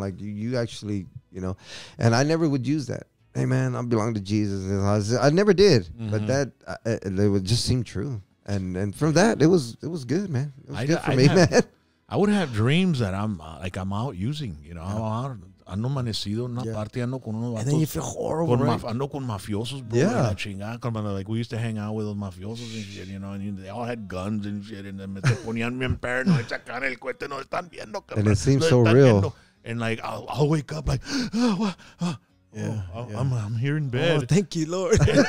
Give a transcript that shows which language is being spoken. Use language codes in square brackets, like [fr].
[en] Like, you actually, you know, and I never would use that. Hey, man, I belong to Jesus. I never did, mm-hmm. but that it would just seem true. And from that, it was good, man. It was good for me, man. I would have dreams that I'm out using, you know. Yeah. [es] Ando amanecido en una parte, ando con unos [en] vatos. And then you feel horrible, right? [es] Ando con mafiosos, bro. Yeah. La chingada, hermano. [en] Like, we used to hang out with those mafiosos and shit, you know. And they all had guns and shit. And then [es] me ponían bien perno, chacan el cuete, no están viendo. [en] And it seems so real. And like, I'll wake up like, oh, what? Yeah, I'm here in bed. Oh, thank you, Lord.